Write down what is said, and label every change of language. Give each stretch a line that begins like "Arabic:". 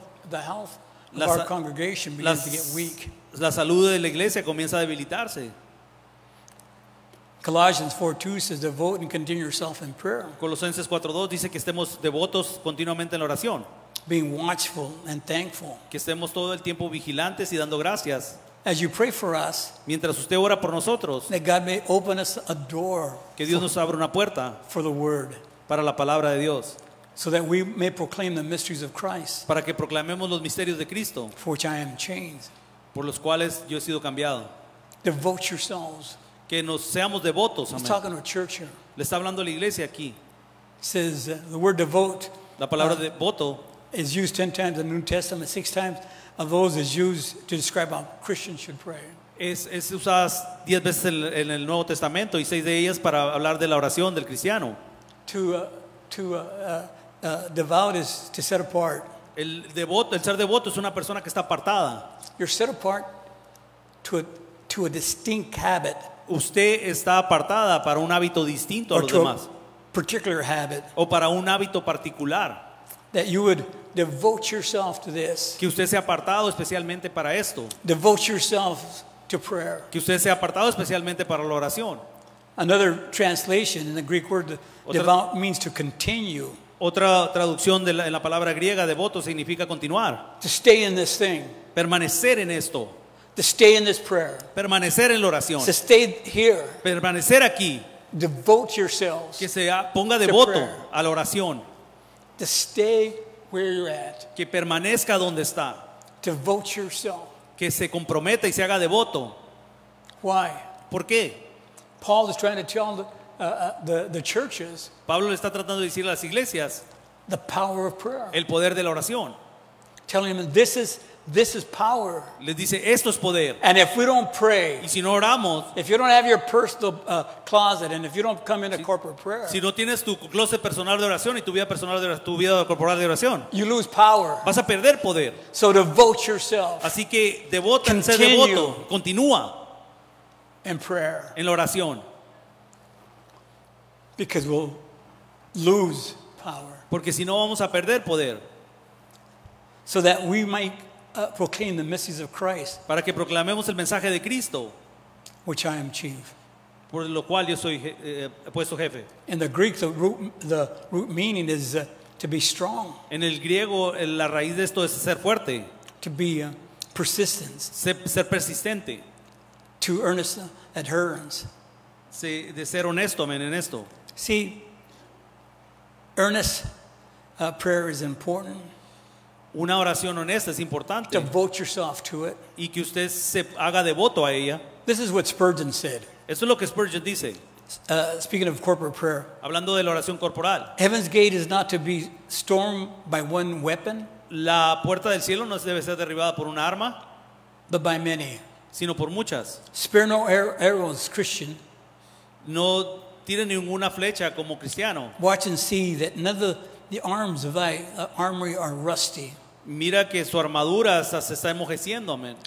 English: The health of our congregation begins to get weak.
Spanish: La salud de la iglesia comienza a debilitarse.
English: Colossians 4:2 says, devote and continue yourself in prayer.
Spanish: Colosenses 4:2 dice que estemos devotos continuamente en la oración.
English: Being watchful and thankful.
Spanish: Que estemos todo el tiempo vigilantes y dando gracias.
English: As you pray for us,
Spanish: mientras usted ora por nosotros,
English: that God may open us a door.
Spanish: Que Dios nos abra una puerta.
English: For the word.
Spanish: Para la palabra de Dios.
English: So that we may proclaim the mysteries of Christ.
Spanish: Para que proclamemos los misterios de Cristo.
English: For which I am chained.
Spanish: Por los cuales yo he sido cambiado.
English: Devote yourselves.
Spanish: Que nos seamos devotos.
English: He's talking to a church here.
Spanish: Le está hablando la iglesia aquí.
English: Says the word devote.
Spanish: La palabra devoto
English: is used 10 times in the New Testament, 6 times of those is used to describe how Christians should pray.
Spanish: Es usadas 10 veces en el Nuevo Testamento y 6 de ellas para hablar de la oración del cristiano.
English: To devote is to set apart.
Spanish: El ser devoto es una persona que está apartada.
English: You're set apart to a distinct habit.
Spanish: Usted está apartada para un hábito distinto a los demás.
English: A particular habit.
Spanish: O para un hábito particular.
English: That you would devote yourself to this.
Spanish: Que usted sea apartado especialmente para esto.
English: Devote yourself to prayer.
Spanish: Que usted sea apartado especialmente para la oración.
English: Another translation in the Greek word devote means to continue.
Spanish: Otra traducción en la palabra griega devoto significa continuar.
English: To stay in this thing.
Spanish: Permanecer en esto.
English: To stay in this prayer.
Spanish: Permanecer en la oración.
English: To stay here.
Spanish: Permanecer aquí.
English: Devote yourselves.
Spanish: Que se ponga devoto a la oración.
English: To stay where you're at.
Spanish: Que permanezca donde está.
English: Devote yourself.
Spanish: Que se comprometa y se haga devoto.
English: Why?
Spanish: ¿Por qué?
English: Paul is trying to tell the churches.
Spanish: Pablo le está tratando de decir a las iglesias.
English: The power of prayer.
Spanish: El poder de la oración.
English: Telling them this is power.
Spanish: Les dice esto es poder.
English: And if we don't pray.
Spanish: Y si no oramos.
English: If you don't have your personal closet and if you don't come into corporate prayer.
Spanish: Si no tienes tu closet personal de oración y tu vida corporal de oración.
English: You lose power.
Spanish: Vas a perder poder.
English: So devote yourself.
Spanish: Así que devoto. Continúa.
English: and prayer.
Spanish: En la oración.
English: Because we'll lose power.
Spanish: Porque si no vamos a perder poder.
English: So that we might proclaim the mysteries of Christ.
Spanish: Para que proclamemos el mensaje de Cristo.
English: Which I am chief.
Spanish: Por lo cual yo soy puesto jefe.
English: In the Greek, the root meaning is to be strong.
Spanish: En el griego, la raíz de esto es ser fuerte.
English: To be persistent.
Spanish: Ser persistente.
English: To earnest adherence.
Spanish: Sí, de ser honesto, amen, en esto.
English: See, earnest prayer is important.
Spanish: Una oración honesta es importante.
English: Devote yourself to it.
Spanish: Y que usted se haga devoto a ella.
English: This is what Spurgeon said.
Spanish: Eso es lo que Spurgeon dice.
English: Speaking of corporate prayer.
Spanish: Hablando de la oración corporal.
English: Heaven's gate is not to be stormed by one weapon.
Spanish: La puerta del cielo no debe ser derribada por una arma.
English: But by many.
Spanish: Sino por muchas.
English: Spare no arrows, Christian.
Spanish: No tire ninguna flecha como cristiano.
English: Watch and see that none of the arms of thy armory are rusty.
Spanish: Mira que su armadura hasta se está enmojeciendo, amen.